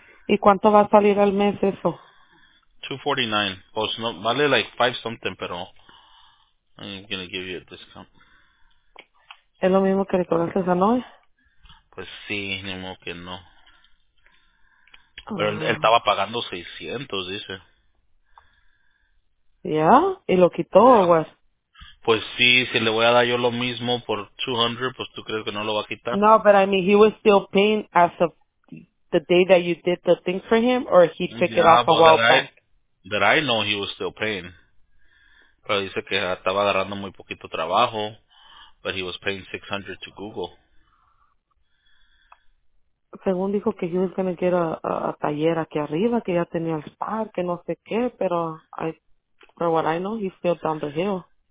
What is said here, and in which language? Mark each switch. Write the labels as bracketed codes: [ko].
[es] ¿Y cuánto va a salir al mes eso? $249. Pues no, vale [en] like five something, pero I'm going to give you a discount. [es] ¿Es lo mismo que le conoces a Noé? Pues sí, ni modo que no. Pero él estaba pagando $600, dice. ¿Ya? ¿Y lo quitó o qué? Pues sí, si le voy a dar yo lo mismo por $200, pues tú crees que no lo va a quitar. [en] No, but I mean, he was still paying as of the day that you did the thing for him, or he took it off a while back? That I know he was still paying. [es] Pero dice que estaba agarrando muy poquito trabajo, [en] but he was paying $600 to Google. [es] Según dijo que [en] he was going to get a [es] taller aquí arriba, que ya tenía el spar, que no sé qué, pero [en] for what I know, he's still down the hill.